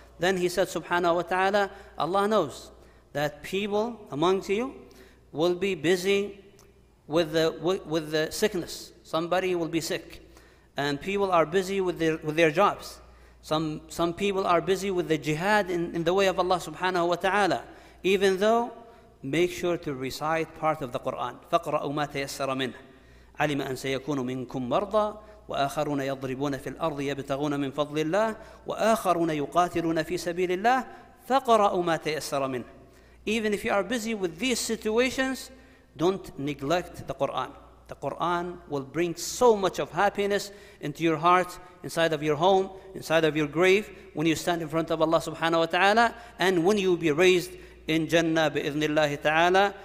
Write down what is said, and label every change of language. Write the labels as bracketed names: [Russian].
[English] Then he said subhanahu wa ta'ala, Allah knows that people amongst you will be busy with the sickness. Somebody will be sick. And people are busy with their jobs. Some people are busy with the jihad in the way of Allah subhanahu wa ta'ala. Even though, make sure to recite part of the Quran. [Arabic] فَقْرَأُوا مَا تَيَسَّرَ مِنْهُ عَلِمَ أَنْ سَيَكُونُ مِنْكُمْ مَرْضَى وآخرون يضربون في الأرض يبتغون من فضل الله وآخرون يقاتلون في سبيل الله فقرأوا ما تيسر منه. [English] Even if you are busy with these situations, don't neglect the Quran. The Quran will bring so much of happiness into your heart, inside of your home, inside of your grave, when you stand in front of Allah subhanahu wa ta'ala, and when you will be raised in Jannah بإذن الله تعالى.